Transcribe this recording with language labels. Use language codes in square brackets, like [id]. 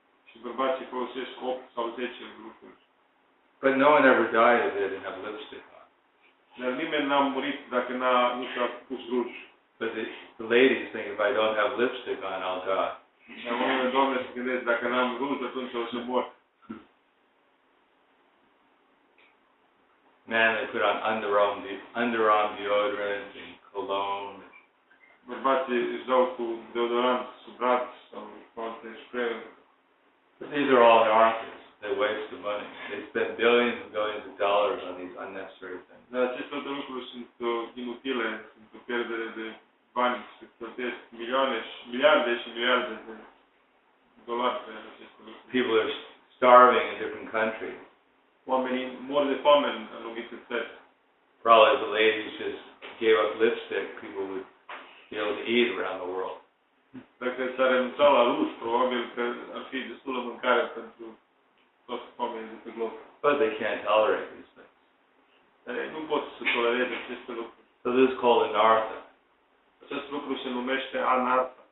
[ro] Și bărbații folosesc 8 sau 10 lucruri. [en] But no one ever died if they didn't have lipstick. [ro] Dar nimeni n-a murit dacă n-a nici a pus ruj. [en] But the ladies think if I don't have lipstick on, I'll die. [ro] Dar oamenii doamne se gândesc, dacă n-am ruj, atunci o să mor. [en] Man, they put on underarm deodorant and cologne. [ro] Bărbații își dau cu deodorant sub braț sau cu alte spray. [en] But these are all artists. They waste the money. They spend billions and billions of dollars on these unnecessary things. [ro] Dar aceste lucruri sunt inutile, sunt o pierdere de bani, se plătesc miliarde și miliarde de dolari pe aceste lucruri. [en] People are starving in different countries. [ro] Oamenii mor de foame în anumite țări. [en] Probably the ladies just gave up lipstick, people would be able to eat around the world. [ro] Dacă s-ar renunța la ruj, probabil că ar fi destulă mâncare pentru toți oamenii de pe glob. [en] But they can't tolerate these things. [ro] Nu pot să tolereze aceste lucruri. [en] So this is called anartha. [ro] Acest lucru se numește anartha.